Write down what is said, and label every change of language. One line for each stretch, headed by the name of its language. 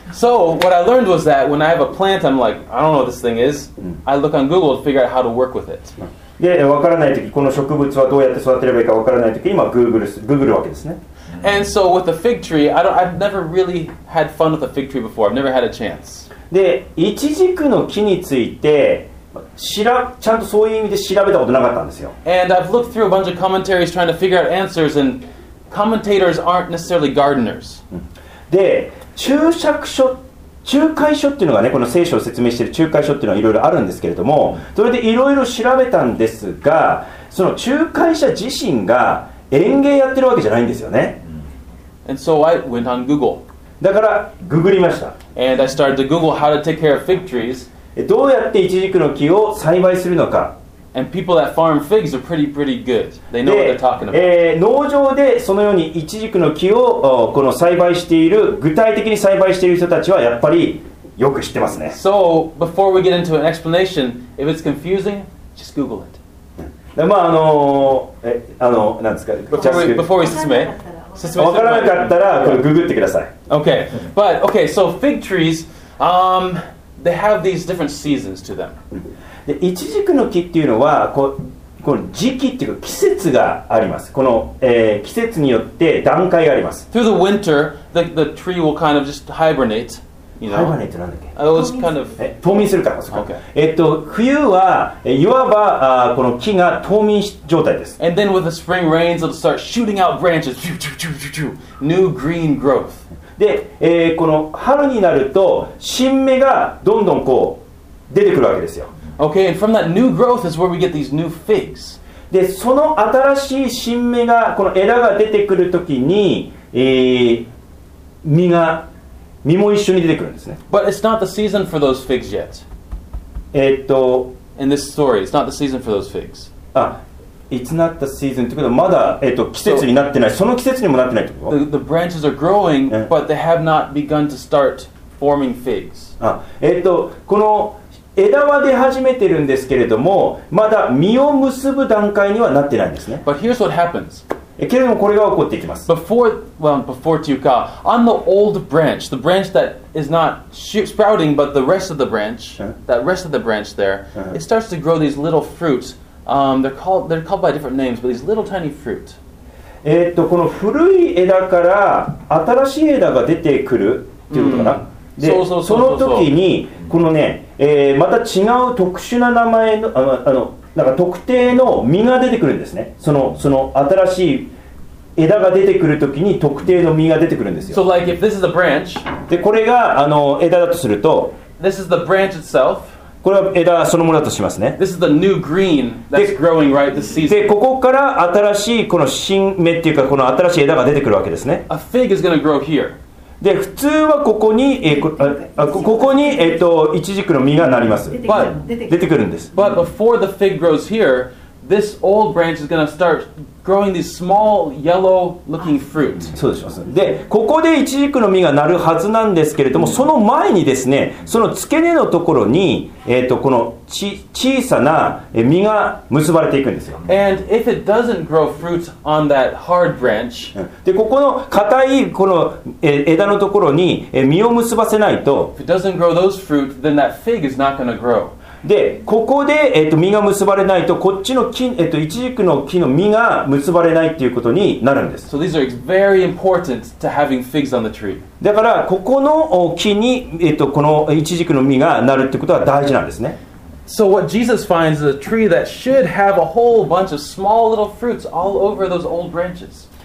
English: So, what I learned was that when I have a plant, I'm like, I don't know what this thing is. I look on Google to figure out how to work with it.
Japanese: で、わからないとき、この植物はどうやって育てればいいかわからないとき、今、Google わけですね。
English: And so with the fig tree, I've never really had fun with a fig tree before. I've never had a chance.
Japanese: で、イチジクの木について、ちゃんとそういう意味で調べたことなかったんですよ。
English: And I've looked through a bunch of commentaries trying to figure out answers, and commentators aren't necessarily gardeners.
Japanese: で、仲介書っていうのがね、この聖書を説明している仲介書っていうのはいろいろあるんですけれども、それでいろいろ調べたんですが、その仲介者自身が園芸やってるわけじゃないんですよね。
English: And so I went on Google.
Japanese: だから、ググりました。
English: And I started to Google how to take care of fig trees.
Japanese: どうやってイチジクの木を栽培するのか。
English: And people that farm figs are pretty good. They know what they're talking about.
Japanese: 農場でそのようにイチジクの木をこの栽培している、具体的に栽培している人たちはやっぱりよく知ってますね。
English: So, before we get into an explanation, if it's confusing, just Google it.
Japanese: で、まあ、なんですか、
English: before we
Japanese: 進め。わからなかったら、これググってください。
English: Okay. But, okay, so fig trees, they have these different seasons to them.
Japanese: で、イチジクの木っていうのは、この時期っていうか季節があります。この、季節によって段階があります。
English: Through the winter, the tree will kind of just hibernate. You know?
Japanese: Hibernate ってなんだっけ？
English: It was kind of...
Japanese: 冬眠するから、そうか。
English: Okay.
Japanese: 冬は、いわば、この木が冬眠状態です。
English: And then with the spring rains, it'll start shooting out branches. New green growth.
Japanese: で、この春になると、新芽がどんどんこう出てくるわけですよ。
English: Okay, and from that new growth is where we get these new figs.
Japanese: で、その新しい新芽が、この枝が出てくるときに、実も一緒に出てくるんですね。
English: But it's not the season for those figs yet. In this story, it's not the season for those figs. It's not the season
Japanese: ってことはまだ、季節になってない。その季節にもなってないってこと？
English: The branches are growing, but they have not begun to start forming figs.
Japanese: この枝は出始めてるんですけれども、まだ実を結ぶ段階にはなってないんですね。
English: But here's what happens.
Japanese: けれどもこれが起こっていきます。
English: Before
Japanese: というか、
English: on the old branch, the branch that is not sprouting, but the rest of the branch, that rest of the branch there, it starts to grow these little fruits. They're called by different names, but these little tiny fruit.
Japanese: この古い枝から新しい枝が出てくるっていうことかな。で、その時にこのね、また違う特殊な名前の、なんか特定の実が出てくるんですね。その新しい枝が出てくる時に特定の実が出てくるんですよ。
English: So like if this is a branch,
Japanese: で、これがあの枝だとすると、
English: This is the branch itself.
Japanese: これは枝そのものだとしますね。
English: This is the new green that's growing right this season.
Japanese: で、ここから新しいこの新芽っていうかこの新しい枝が出てくるわけですね。
English: A fig is going to grow here.
Japanese: で、普通はここに、ここに、イチジクの実がなります。出てくるんです。
English: But before the fig grows here, this old branch is going to start growing these small yellow looking fruit.
Japanese: そうでしょう。で、ここでイチジクの実がなるはずなんですけれども、その前にですね、その付け根のところに、この小さな実が結ばれていくんですよ。
English: And if it doesn't grow fruit on that hard branch,
Japanese: で、ここの硬いこの枝のところに実を結ばせないと、
English: if it doesn't grow those fruit, then that fig is not going to grow.
Japanese: で、ここで、実が結ばれないと、こっちの木、イチジクの木の実が結ばれないっていうことになるんです。
English: So these are very important to having figs on the tree.
Japanese: だから、ここの木に、このイチジクの実がなるってことは大事なんですね。
English: So what Jesus finds is a tree that should have a whole bunch of small little fruits all over those old branches.